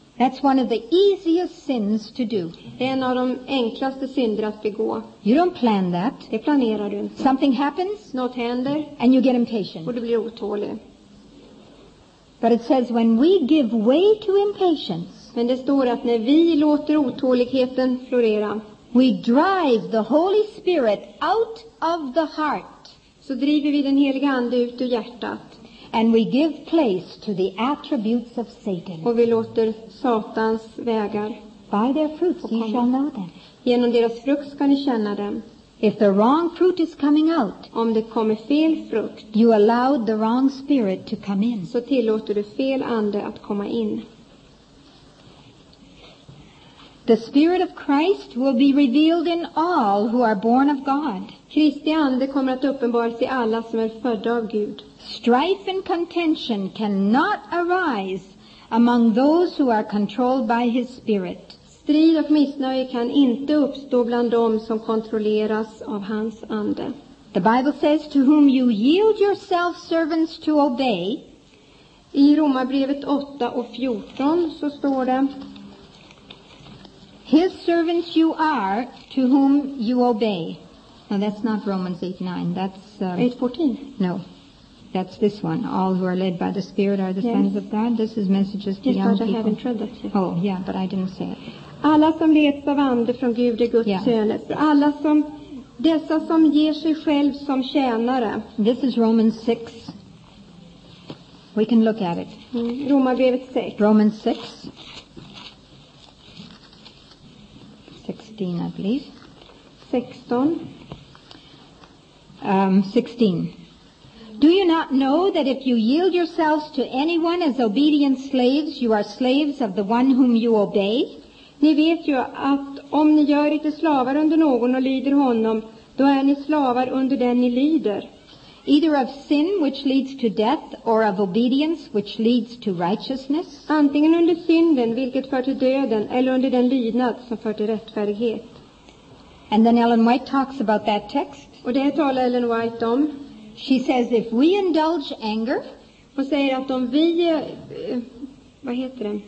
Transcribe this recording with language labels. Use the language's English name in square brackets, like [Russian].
[English] That's one of the easiest sins to do. [Swedish] Det är en av de enklaste synder att begå. [English] You don't plan that. [Swedish] Det planerar du inte. [English] Something happens. [Swedish] Något händer. [English] And you get impatient. [Swedish] Och du blir otålig. [English] But it says when we give way to impatience. [Swedish] Men det står att när vi låter otåligheten florera. [English] We drive the Holy Spirit out of the heart. [Swedish] Så driver vi den helige ande ut ur hjärtat. [English] And we give place to the attributes of Satan. [Swedish] Och vi låter Satans vägar. [English] By their fruits ye shall know them. [Swedish] Genom deras frukt ska ni känna dem. [English] If the wrong fruit is coming out, [Swedish] om det kommer fel frukt, [English] you allowed the wrong spirit to come in. [Swedish] Så tillåter du fel ande att komma in. [English] The spirit of Christ will be revealed in all who are born of God. [Swedish] Kristi ande kommer att uppenbaras i alla som är födda av Gud. [English] Strife and contention cannot arise among those who are controlled by his spirit. [Swedish] Strid och missnöje kan inte uppstå bland dem som kontrolleras av hans ande. [English] The Bible says to whom you yield yourself servants to obey. [Swedish] I Romarbrevet 8 och 14 så står det. [English] His servants you are to whom you obey. No, that's not Romans 8:9. That's 8:14. No. That's this one. All who are led by the Spirit are the sons of God. This is messages to young people. I haven't read that yet. Oh, yeah, but I didn't say it. [Swedish] Alla som leds av ande från Gud är Guds söner. För alla som, dessa som ger sig själv som tjänare. [English] This is Romans 6. We can look at it. [Swedish] Romarbrevet 6. [English] Romans 6. 16, I believe. [Swedish] 16. 16. [English] Do you not know that if you yield yourselves to anyone as obedient slaves, you are slaves of the one whom you obey? [Swedish] Ni vet ju att om ni gör er till slavar under någon och lyder honom, då är ni slavar under den ni lyder. [English] Either of sin which leads to death or of obedience which leads to righteousness. [Swedish] Antingen under synden vilket för till döden eller under den lydnad som för till rättfärdighet. [English] And then Ellen White talks about that text. [Swedish] Och det talar Ellen White om. [English] She says if we indulge anger, [Swedish] hon säger att om vi vad heter det?